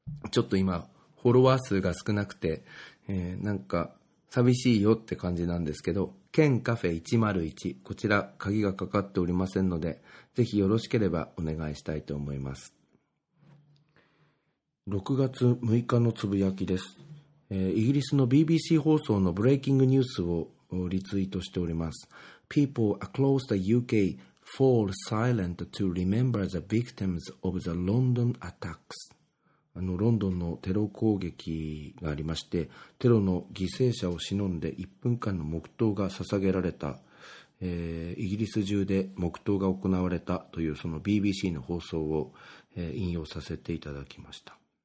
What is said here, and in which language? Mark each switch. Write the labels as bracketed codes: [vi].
[ja] ちょっと今フォロワー数が少なくて、なんか寂しいよって感じなんですけど、ケンカフェ101、こちら鍵がかかっておりませんので、ぜひよろしければお願いしたいと思います。 6月6日のつぶやきです。イギリスの BBC 放送のブレイキングニュースをリツイートしております。 [en] People across the UK fall silent to remember the victims of the London attacks。 [ja] ロンドンのテロ攻撃がありまして、テロの犠牲者をしのんで1分間の黙祷が捧げられた、イギリス中で黙祷が行われたというその BBC の放送を、引用させていただきました。